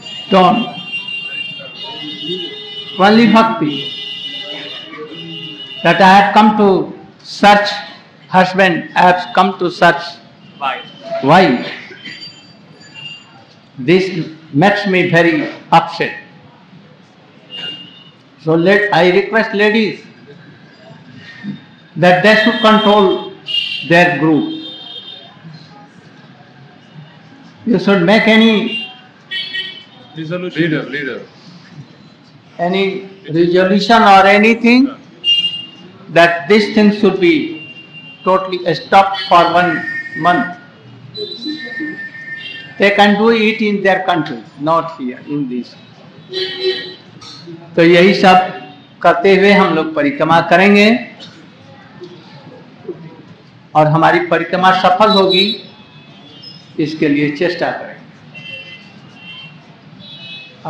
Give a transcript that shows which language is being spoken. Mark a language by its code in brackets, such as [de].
[en] Don't, only भक्ति, that I have come to search husband, I have come to search wife, this makes me very upset. So let I request ladies that they should control their group. You should make any resolution. Leader. Any resolution or anything that this thing should be totally stopped for 1 month. They can do it in their country, not here in this. [hi] तो यही सब करते हुए हम लोग परिक्रमा करेंगे और हमारी परिक्रमा सफल होगी, इसके लिए चेष्टा करेंगे।